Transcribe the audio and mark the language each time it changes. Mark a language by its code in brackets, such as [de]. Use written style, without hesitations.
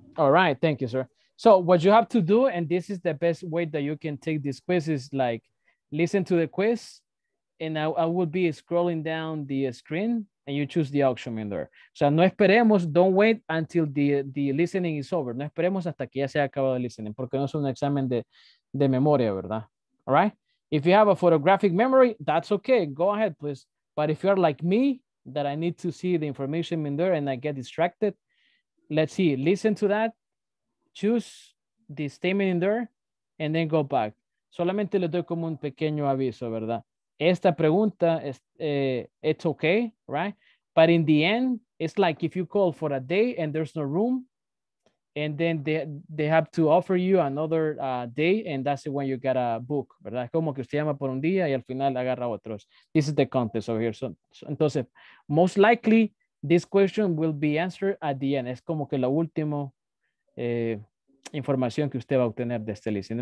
[en] All right, thank you, sir. So what you have to do, and this is the best way that you can take this quiz, is like listen to the quiz, and I will be scrolling down the screen, and you choose the auction vendor. So [es] no esperemos, [en] don't wait until the listening is over. [es] No esperemos hasta que ya se haya acabado el listening, porque no es un examen de memoria, ¿verdad? [en] All right? If you have a photographic memory, that's okay. Go ahead, please. But if you're like me, that I need to see the information vendor and I get distracted, let's see. Listen to that. Choose the statement in there and then go back. [es] Solamente le doy como un pequeño aviso, ¿verdad? Esta pregunta es, [en] it's okay, right? But in the end, it's like if you call for a day and there's no room, and then they have to offer you another day, and that's when you get a book, ¿verdad? [es] Como que usted llama por un día y al final agarra otros. [en] This is the context over here. So, entonces, most likely, this question will be answered at the end. [es] Es como que lo último, información que usted va a obtener de este listing.